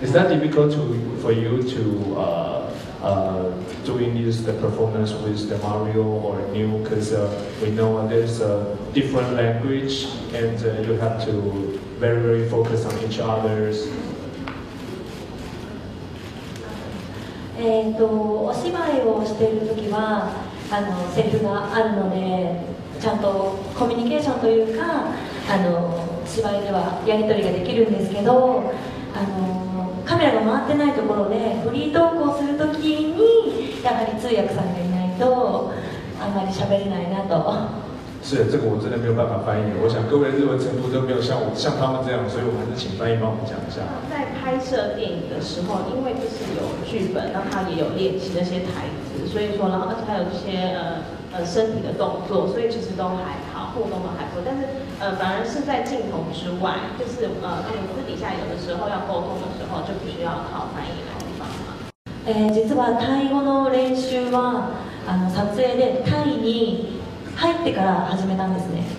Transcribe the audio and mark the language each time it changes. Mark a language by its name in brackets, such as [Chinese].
[English] Is that difficult for you to doing this, the performance with the Mario or Neil? Because we know there's a different language, and you have to very, very focus on each other's. [Japanese] お芝居をしているときはセリフがあるので、ちゃんとコミュニケーションというか芝居ではやり取りができるんですけど、カメラが回ってないところでフリートークをするときにやはり通訳さんがいないとあんまり喋れないなと。 [Chinese] 是，这个我真的没有办法翻译。我想各位日文程度都没有像他们这样，所以我还是请翻译帮我们讲一下。在拍摄电影的时候，因为就是有剧本，那他也有练习那些台词，所以说，然后而且还有一些身体的动作，所以其实都还好，互动都还不错。但是反而是在镜头之外，就是私底下有的时候要沟通的时候，就不需要靠翻译来帮忙。 [Japanese] 実はタイ語の練習は撮影でタイに入ってから始めたんですね。